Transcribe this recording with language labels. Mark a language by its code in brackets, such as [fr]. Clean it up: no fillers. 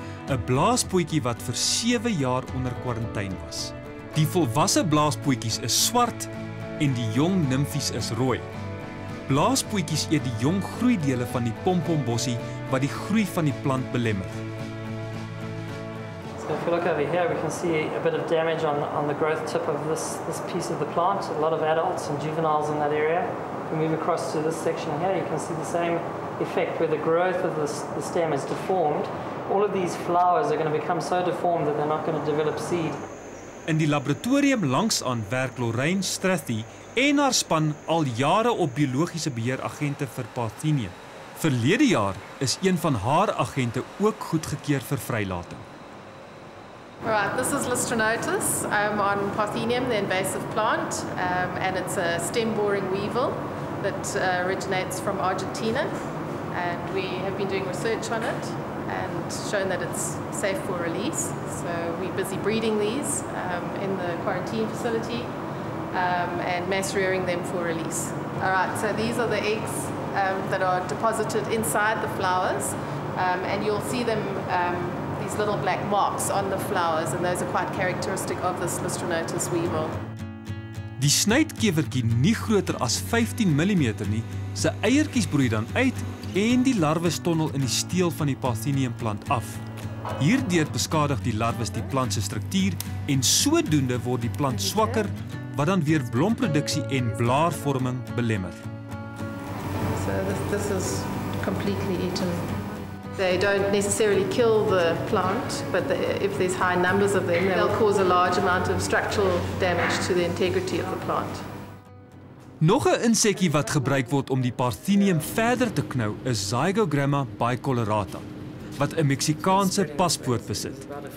[af] 'N Blaaspoetjie wat vir 7 jaar onder kwarantyne was. Die volwasse blaaspoetjies is swart en die jong nimfies is rooi. Blaaspoetjies eet die jong groeidele van die pompombossie wat die groei van die plant belemmer. [en] So if you look over here, we can see a bit of damage on the growth tip of this piece of the plant. A lot of adults and juveniles in that area. If we move across to this section here, you can see the same effect where the growth of the stem is deformed. All of these flowers are going to become so deformed that they're not going to develop seed. [af] In die laboratorium langs aan werk Lorraine Strathy en haar span al jare op biologiese beheeragente vir parthenium. Verlede jaar is een van haar agente ook goedgekeur vir vrylating. [en] Right, this is Lystronotus. I'm on parthenium, the invasive plant, and it's a stem boring weevil that originates from Argentina. And we have been doing research on it and shown that it's safe for release. So we're busy breeding these in the quarantine facility and mass rearing them for release. All right, so these are the eggs that are deposited inside the flowers, and you'll see them. These little black marks on the flowers, and those are quite characteristic of this Lystronotus weevil. [af] Die snytkevertjie nie groter as 15 mm nie, sy eiertjies broei dan uit en die larwe stonnel in die steel van die parthenium plant af. Hierdeur beskadig die larwes die plant se struktuur en sodoende word die plant swakker wat dan weer blomproduksie en blaarvorming belemmer. [en] So this is completely eaten. They don't necessarily kill the plant, but if there's high numbers of them, they'll cause a large amount of structural damage to the integrity of the plant. [af] Nog 'n insekkie wat gebruik word om die parthenium verder te knou, is Zygogramma bicolorata, wat 'n Meksikaanse paspoort besit.